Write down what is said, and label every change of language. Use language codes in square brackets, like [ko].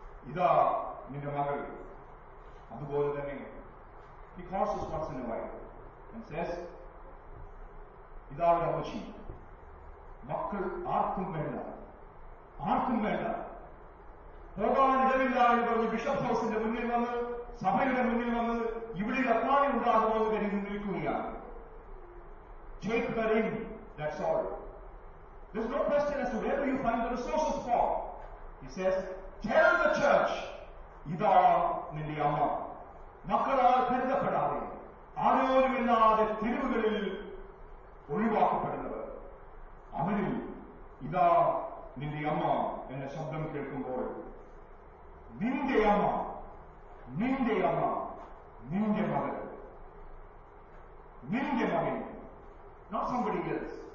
[ml] ഇതാ നിന്റെ മകൾ. അതുപോലെ തന്നെ [en] he calls his wife and says [ml] ഇതാ അവന്റെ അമ്മച്ചി. മക്കൾ ആർക്കും വേണ്ട, ആർക്കും വേണ്ട. പോകാൻ ഇടമില്ല എന്ന് പറഞ്ഞ് ബിഷപ്പ് ഹൗസിന്റെ മുന്നിൽ വന്ന്, സഭയുടെ മുന്നിൽ വന്ന് ഇവിടെ അപ്പാളി ഉണ്ടാകുമോ എന്ന് കരുതി നിൽക്കുകയാണ്. [en] Take her in, that's all. There's no question as to where you find the resources for. He says, tell the church, [ml] ഇതാ നിന്റെ അമ്മ. മക്കളാൽ കരുതപ്പെടാതെ ആരോരുമില്ലാതെ തെരുവുകളിൽ ഒഴിവാക്കപ്പെടുന്നവർ, അവരിൽ ഇതാ നിന്റെ അമ്മ എന്ന ശബ്ദം കേൾക്കുമ്പോൾ, നിന്റെ അമ്മ, നിന്റെ അമ്മ, നിന്റെ മകൻ, നിന്റെ മകൻ, [en] not somebody else.